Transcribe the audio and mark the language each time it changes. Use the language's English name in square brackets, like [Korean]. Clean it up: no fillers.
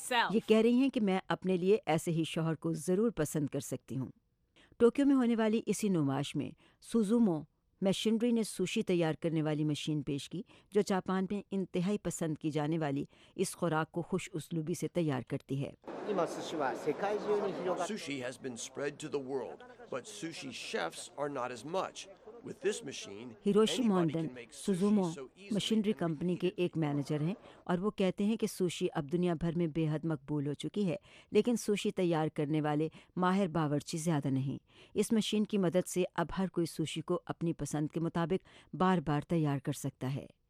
[Urdu] یہ کہہ رہی ہیں کہ میں اپنے لیے ایسے ہی شوہر کو ضرور پسند کر سکتی ہوں۔ ٹوکیو میں ہونے والی اسی نمائش میں سوزومو مشینری نے سوشی تیار کرنے والی مشین پیش کی جو جاپان میں انتہائی پسند کی جانے والی اس خوراک کو خوش اسلوبی سے تیار کرتی ہے۔ [English] Sushi has been spread to the world, but sushi chefs are not as much. [Urdu] Hiroshi مونڈن سوزومو machinery company کے ایک مینیجر ہیں اور وہ کہتے ہیں کہ سوشی اب دنیا بھر میں بے حد مقبول ہو چکی ہے، لیکن سوشی تیار کرنے والے ماہر باورچی زیادہ نہیں۔ اس مشین کی مدد سے اب ہر کوئی سوشی کو اپنی پسند کے مطابق بار بار تیار کر سکتا ہے۔